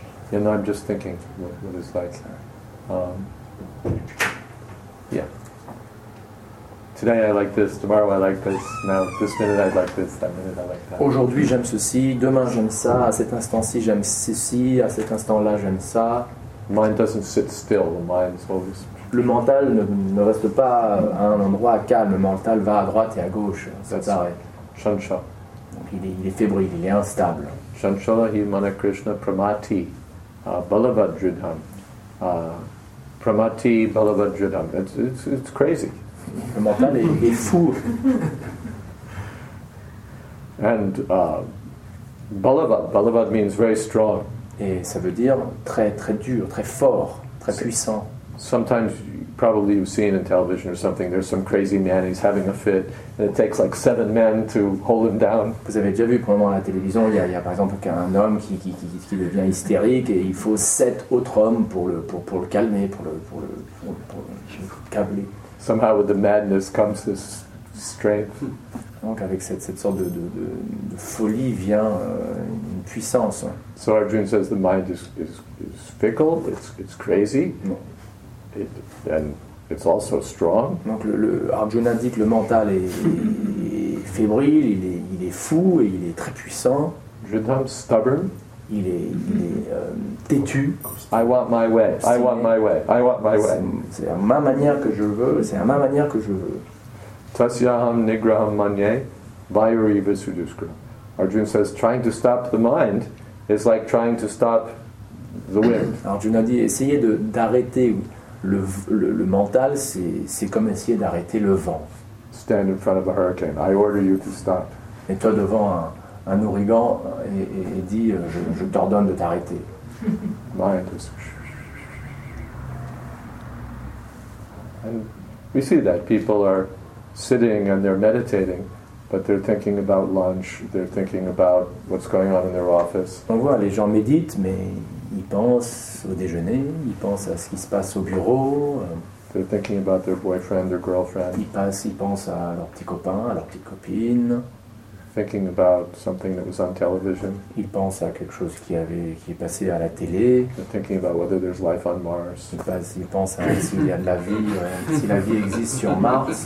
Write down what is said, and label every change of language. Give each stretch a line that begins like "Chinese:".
English: you know, I'm just thinking what it's like. Today I like this, tomorrow I like this, now this minute I like this, that minute I like that.
French: Aujourd'hui j'aime ceci, demain j'aime ça, à cet instant-ci j'aime ceci, à cet instant-là j'aime ça.
English: Mind doesn't sit still, the mind is always
French: le mental ne reste pas à un endroit calme, le mental va à droite et à gauche, ça s'arrête.
Sanskrit: Chancha.
French: Donc il est fébrile, il est instable.
Sanskrit: Chancha hi mana krishna pramati balavadjudham. Pramati balavadjudham.
English: It's crazy.
French: Le mental est fou.
English: And balavad means very strong.
French: Et ça veut dire très très dur, très fort, très puissant.
English: Sometimes, probably you've seen in television or something, there's some crazy man, he's having a fit, and it takes like 7 men to hold him down.
French: Vous avez déjà vu pendant la télévision, il y a par exemple un homme qui devient hystérique et il faut 7 autres hommes pour le calmer, pour le câbler.
English: Somehow with the madness comes this strength.
French: Donc avec cette sorte de folie vient une puissance.
English: So Arjuna says the mind is fickle, it's crazy.
French: Non.
English: And it's also strong.
French: Donc le Arjuna dit que le mental est fébrile, il est fou et il est très puissant.
English: Judham stubborn.
French: Il est têtu.
English: I want my way. I want my way. I want my way.
French: C'est à ma manière que je veux. C'est à ma manière que je veux.
Sanskrit: Tasyaham nigraham manye vayuri visudhuskra.
English: Arjuna says, trying to stop the mind is like trying to stop the wind.
French: Arjuna dit, essayez d'arrêter. Le mental, c'est comme essayer d'arrêter le vent.
English: Stand in front of a hurricane. I order you to stop.
French: Et toi devant un ouragan et dis, je t'ordonne de t'arrêter.
English: Mind is... And we see that people are sitting and they're meditating. But they're thinking about lunch, they're thinking about what's going on in their office.
French: On voit, les gens méditent, mais ils pensent au déjeuner, ils pensent à ce qui se passe au bureau.
English: They're thinking about their boyfriend, their girlfriend.
French: Ils pensent à leur petit copain, à leur petite copine.
English: Thinking about something that was on television.
French: Ils pensent à quelque chose qui est passé à la télé.
English: They're thinking about whether there's life on Mars.
French: Ils pensent à s'il y a de la vie, si la vie existe sur Mars.